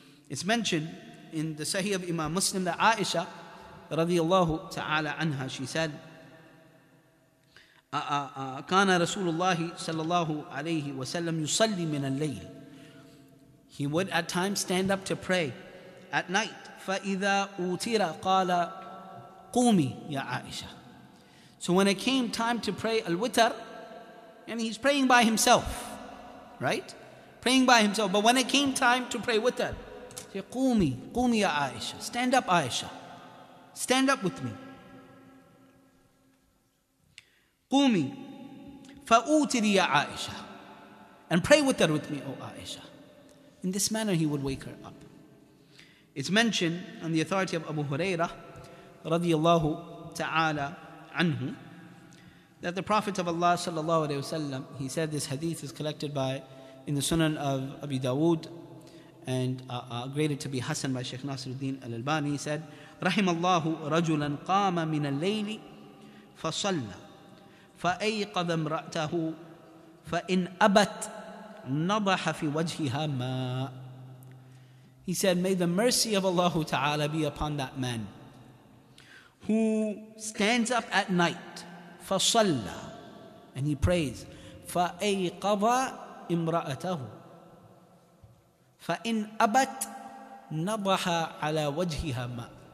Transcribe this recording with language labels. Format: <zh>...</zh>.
<en>It's mentioned in the Sahih of Imam Muslim that Aisha radiallahu ta'ala anha, she said,</en> <ar>كان رسول الله صلى الله عليه وسلم يصلي من الليل.</ar> <en>He would at times stand up to pray at night.</en> <ar>فإذا أوتر قال قومي يا عائشة.</ar> <en>So when it came time to pray al-witr, and he's praying by himself, right? Praying by himself. But when it came time to pray witr, say قومي يا عائشة. Stand up, Aisha. Stand up with me.</en> <ar>قومي فأوتري يا عائشة.</ar> <en>And pray with her with me, O Aisha. In this manner, he would wake her up. It's mentioned on the authority of Abu Hurairah رضي الله تعالى عنه that the Prophet of Allah صلى الله عليه وسلم, he said this hadith is collected by in the Sunan of Abi Dawood and graded to be Hassan by Sheikh Nasiruddin al-Albani.</en> <ar>He said, رحم الله رجلا قام من الليل فصلى فأيقظ امرأته فإن أبت نضح في وجهها ماء.</ar> <en>He said, may the mercy of Allah Ta'ala be upon that man who stands up at night,</en> <ar>فصلى,</ar> <en>and he prays,</en> <ar>فأيقظ امرأته فإن أبت نضح على وجهها ماء.</ar>